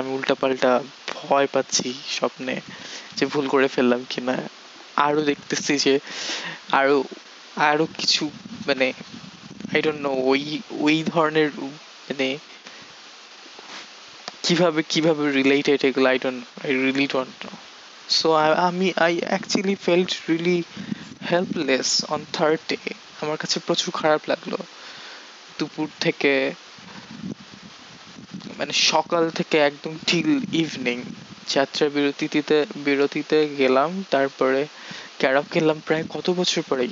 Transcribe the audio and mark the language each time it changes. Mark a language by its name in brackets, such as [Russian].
[Bangla] আমি উল্টাপাল্টা ভয় পাচ্ছি স্বপ্নে যে ভুল করে ফেললাম কিনা, আরও দেখতেছি যে আরও আরও কিছু মানে [English] I don't know [Bangla] ওই ওই ধরনের মানে কীভাবে কীভাবে রিলেটেড এগুলো, [English] I don't I really don't know. So I actually felt really helpless on third day. [Bangla] আমার কাছে প্রচুর খারাপ লাগলো দুপুর থেকে, মানে সকাল থেকে একদম [English] till evening [Bangla] যাত্রা বিরতিতে গেলাম, তারপরে ক্যারাব গেলাম প্রায় কত বছর পরে।